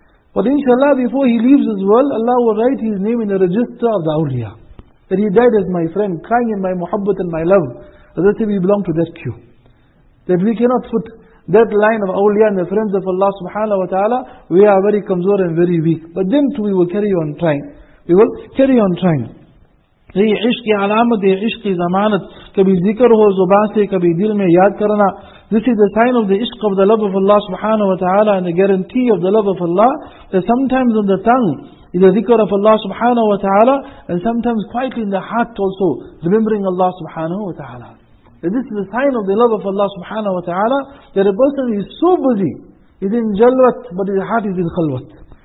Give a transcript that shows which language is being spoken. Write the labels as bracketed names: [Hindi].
[English] But inshallah, before he leaves this world, Allah will write his name in the register of the awliya. That he died as my friend, crying in my muhabbat and my love. That they say we belong to that queue. That we cannot put that line of awliya and the friends of Allah subhanahu wa ta'ala. We are very kamzor and very weak. But then too we will carry on trying. We will carry on trying. [Urdu] یہ عشق کی علامت ہے, عشق کی ضمانت, کبھی ذکر ہو زبان سے کبھی دل میں یاد کرنا. [English] This is the sign of the عشق of the love of Allah subhanahu wa ta'ala and the guarantee of the love of Allah, that sometimes on the tongue is the ذکر of Allah subhanahu wa ta'ala and sometimes quietly in the heart also remembering Allah subhanahu wa ta'ala. This is the sign of the love of Allah subhanahu wa ta'ala, that a person is so busy, is in jalwat, but his heart is in khalwat.